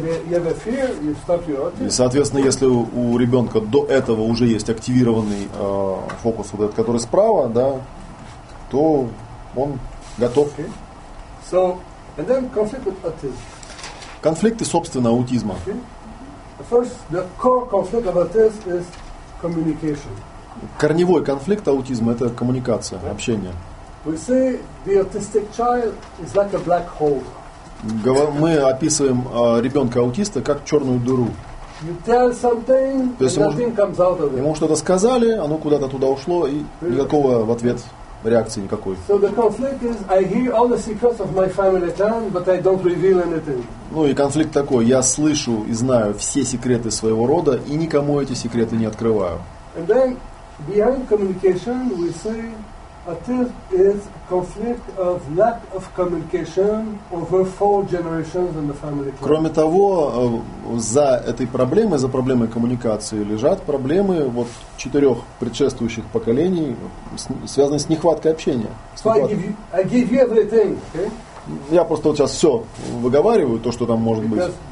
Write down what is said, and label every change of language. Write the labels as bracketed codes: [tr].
[ru] И, соответственно, если у ребенка до этого уже есть активированный фокус, вот этот, который справа, да, то он готов. [en] So, and then conflict with autism. [ru] Конфликты, собственно, аутизма. [en] First, the core conflict of autism is communication. [ru] Корневой конфликт аутизма – это коммуникация, okay. Общение. [en] We say the autistic child is like a black hole. [ru] Мы описываем ребенка-аутиста как черную дыру. [en] You tell something, [ru] то есть [en] nothing comes out of it. [ru] Ему что-то сказали, оно куда-то туда ушло, и никакого в ответ реакции никакой. [en] So the conflict is I hear all the secrets of my family clan, but I don't reveal anything. [ru] Ну и конфликт такой: я слышу и знаю все секреты своего рода и никому эти секреты не открываю. [en] And then behind communication we say autism is conflict of lack of communication over 4 generations in the family clan. [ru] Кроме того, за этой проблемой, за проблемой коммуникации лежат проблемы вот 4 предшествующих поколений, связанные с нехваткой общения. [en] So I give you everything, okay? [ru] Я просто вот сейчас все выговариваю, то, что там может быть.